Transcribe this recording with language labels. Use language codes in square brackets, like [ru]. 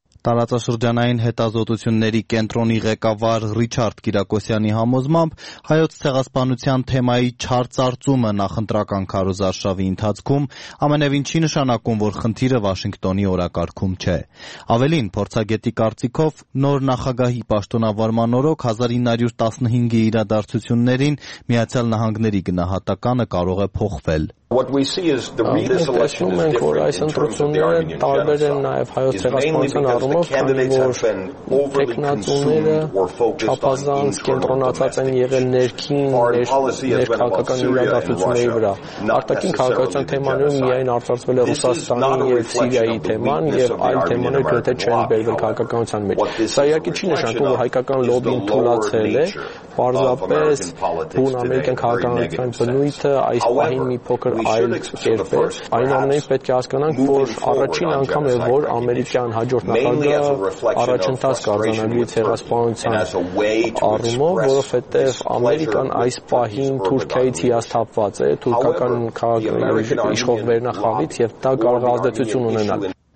[hy] Տարածաշրջանային հետազոտությունների կենտրոնի ղեկավար Ռիչարդ Կիրակոսյանի համոզմամբ հայոց ցեղասպանության թեմայի չարցարծումը նախընտրական քարոզարշավի ընթացքում ամենևին չի նշանակում, որ խնդիրը Վաշինգտոնի օրակարգում չէ։ Ավելին, փորձագետի կարծիքով, նոր նախագահի պաշտոնավարման օրոք 1915-ի իրադարձություններին Միացյալ Նահանգների գնահատականը կարող է փոխվել։ [en] What we see is the re-election is different in terms of the Armenian genocide, is mainly because the candidates have been overly consumed or focused on internal domestic issues. Foreign policy has been about Syria and Russia, not necessarily the genocide. This is not a reflection of the Armenian American bloc. What this is a reflection of the lobbying nature of American politics. [hy] Պարզապես բուն ամերիկյան քաղաքականության բնույթը այս պահին մի փոքր այլ երբ է։ Այնուամենայնիվ պետք է հասկանանք, որ առաջին անգամ է, որ ամերիկյան հաջորդ նախագահը առաջընթաց կազմանալու է ցեղասպանության առումով, որովհետև ամերիկան այս պահին Թուրքիայից հիասթափված է, թուրքական քաղաքականության իշխող վերնախավից, և դա կարող է ազդեցություն ունենալ։